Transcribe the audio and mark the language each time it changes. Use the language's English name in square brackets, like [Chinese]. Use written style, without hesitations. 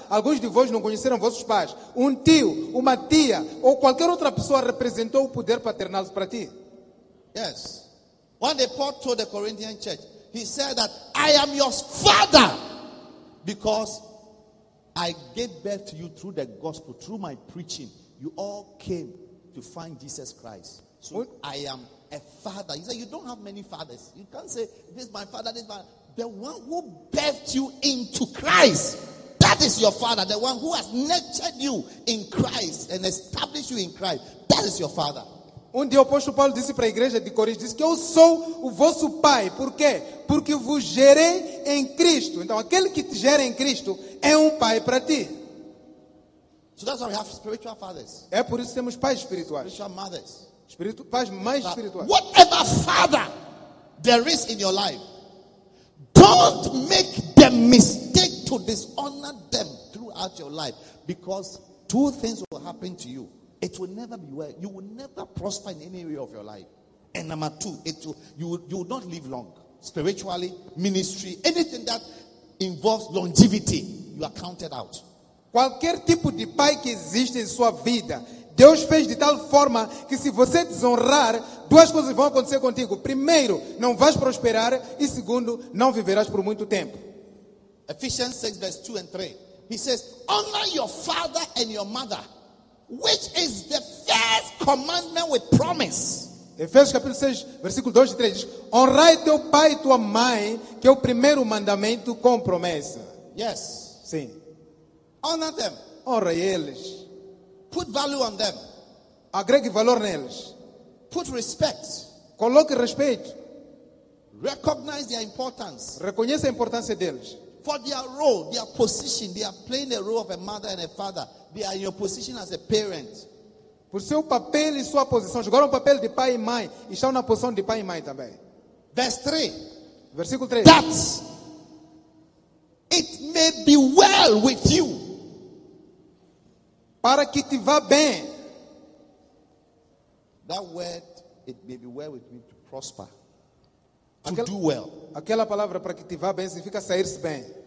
[Portuguese] Alguns de vós não conheceram vossos pais. Um tio, uma tia, ou qualquer outra pessoa representou o poder paternal para ti. [English] Yes. When the Paul told the Corinthian church, he said that I am your father because I gave birth to you through the gospel, through my preaching. You all came to find Jesus Christ. So I am a father. You say you don't have many fathers. You can't say this is my father, this is my father. The one who birthed you into Christ, that is your father. The one who has nurtured you in Christ and established you in Christ, that is your father. [Portuguese] Um dia o apóstolo Paulo disse para a igreja de Corinto, disse que eu sou o vosso pai. Por quê? Porque vos gerei em Cristo. Então, aquele que te gera em Cristo é um pai para ti. [English] So that's why we have spiritual fathers. [Portuguese] É por isso que temos pais espirituais. [English] Spiritual mothers. [Portuguese] Pais mais espirituais. [English] Whatever father there is in your life, don't make the mistake to dishonor them throughout your life, because two things will happen to you. It will never be well. You will never prosper in any area of your life. And number two, you will not live long. Spiritually, ministry, anything that involves longevity, you are counted out. [Portuguese] Qualquer tipo de pai que existe em sua vida, Deus fez de tal forma que se você desonrar, duas coisas vão acontecer contigo. Primeiro, não vais prosperar. E segundo, não viverás por muito tempo. [English] Ephesians 6, verse 2 and 3. He says, honor your father and your mother, which is the first commandment with promise. [Portuguese] Efésios capítulo 6, versículo 2 e 3 diz: honrai teu pai e tua mãe, que é o primeiro mandamento com promessa. [English] Yes. [Portuguese] Sim. [English] Honra them. [Portuguese] Honra eles. [English] Put value on them. [Portuguese] Agregue valor neles. [English] Put respect. [Portuguese] Coloque respeito. [English] Recognize their importance. [Portuguese] Reconheça a importância deles. [English] For their role, their position, they are playing the role of a mother and a father. They are in your position as a parent. [Portuguese] Por seu papel e sua posição, jogaram o papel de pai e mãe e estão na posição de pai e mãe também. [English] Verse 3. [Portuguese] Versículo 3. [English] That it may be well with you. [Portuguese] Para que te vá bem. [English] That word, it may be well with me to prosper. To do well. [Portuguese] Aquela palavra para que te vá bem significa sair-se bem.